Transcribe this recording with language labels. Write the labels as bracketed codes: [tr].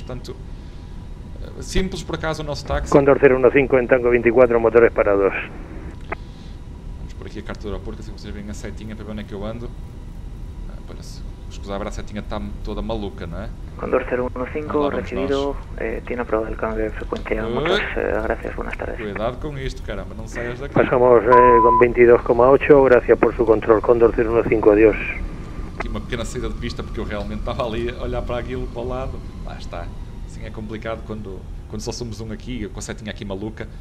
[pt] Portanto, simples por acaso o nosso táxi. Condor 015 em Tango 24, motores parados. Vamos por aqui a carta do aeroporto, assim vocês veem a setinha para ver onde é que eu ando. Parece. Escusava, a setinha está toda maluca, não é? [es] Condor 015, recebido, tiene aprobado el cambio de frecuencia. Gracias, buenas tardes. [pt] Cuidado com isto, caramba, não saias daqui. Passamos com [es] 22,8, gracias por su control. Condor 015, adiós. [pt] Aqui uma pequena saída de pista, porque eu realmente estava ali a olhar para aquilo para o lado. Lá está. Assim é complicado quando só somos um aqui, com a setinha aqui maluca.